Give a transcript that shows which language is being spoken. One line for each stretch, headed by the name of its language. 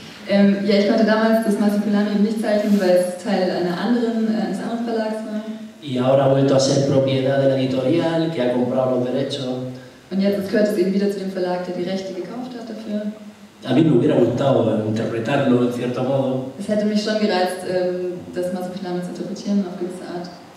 German: Ja, ich konnte damals das Masopilami nicht zeichnen, weil es Teil eines anderen Verlags war.
Spanish: Y ahora ha vuelto a ser propiedad de la editorial que ha comprado los derechos.
German: Und jetzt gehört es eben wieder zu dem Verlag, der die Rechte gekauft hat dafür.
Spanish: A mí me hubiera gustado interpretarlo en cierto modo.
German: Es hätte mich schon gereizt, das Masopilami zu interpretieren auf gewisse Art.